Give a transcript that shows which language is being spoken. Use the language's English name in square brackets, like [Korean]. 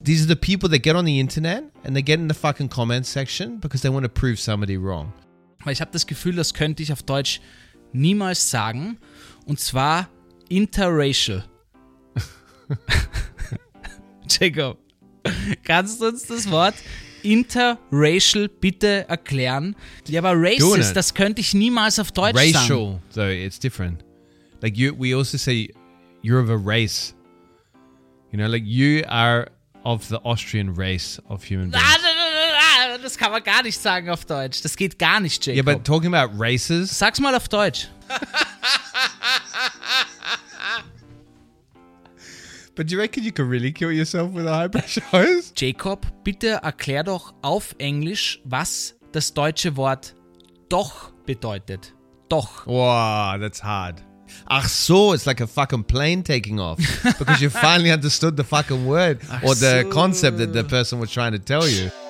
[English] These are the people that get on the internet and they get in the fucking comment section because they want to prove somebody wrong. [German] Weil ich habe das Gefühl, das könnte ich auf Deutsch niemals sagen. Und zwar interracial. Jacob, kannst du uns das Wort interracial bitte erklären? Ja, aber racist, das könnte ich niemals auf Deutsch racial, sagen. [English] Racial, though, it's different. Like, you, we also say, you're of a race. You know, like, you are of the Austrian race of human beings. [German] Das kann man gar nicht sagen auf Deutsch. Das geht gar nicht, Jacob. [English] Yeah, but talking about races. [German] Sag's mal auf Deutsch. [English] But do you reckon you could really kill yourself with a high pressure hose? [German] Jacob, bitte erklär doch auf Englisch, was das deutsche Wort doch bedeutet. Doch. [English] Wow, that's hard. [German] Ach so, [English] it's like a fucking plane taking off. Because you finally understood the fucking word or the concept that the person was trying to tell you.